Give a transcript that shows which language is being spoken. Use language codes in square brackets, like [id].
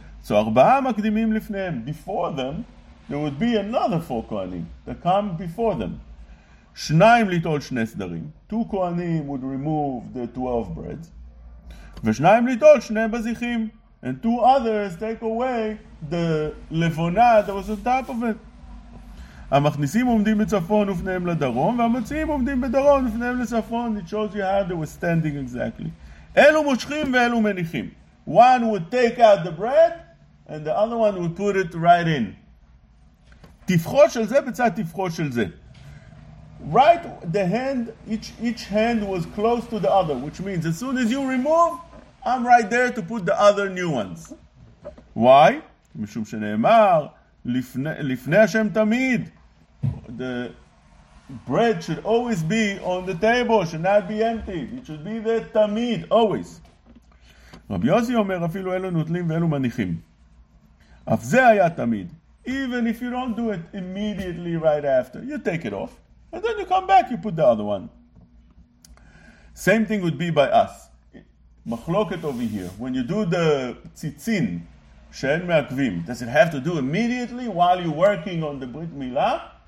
[en] So [he] arba'a makdimim lifneim. [en] Before them, there would be another four kohanim that come before them. [he] Shnaim litol shnei sdarim. [en] Two kohanim would remove the 12 breads. [he] Veshnaim litol shnei bazichim. [en] And two others take away the levona that was on top of it. [he] המכניסים עומדים בצפון ופניהם לדרום, והמוציאים עומדים בדרום ופניהם לצפון. [en] It shows you how they were standing exactly. [he] אלו מושכים ואלו מניחים. [en] One would take out the bread, and the other one would put it right in. [he] תפחו של זה בצד תפחו של זה. [en] Right, the hand, each hand was close to the other, which means as soon as you remove, I'm right there to put the other new ones. Why? [he] משום שנאמר, לפני השם תמיד. [en] The bread should always be on the table, should not be empty. It should be there תמיד, always. [he] רבי יוסי אומר, אפילו אלו נוטלים ואלו מניחים. אף זה היה תמיד. [en] Even if you don't do it immediately right after, you take it off. And then you come back, you put the other one. Same thing would be by us. Machloket over here. When you do the tzitzin, [he] she'en me'akvim, [en] does it have to do immediately while you're working on the brit milah?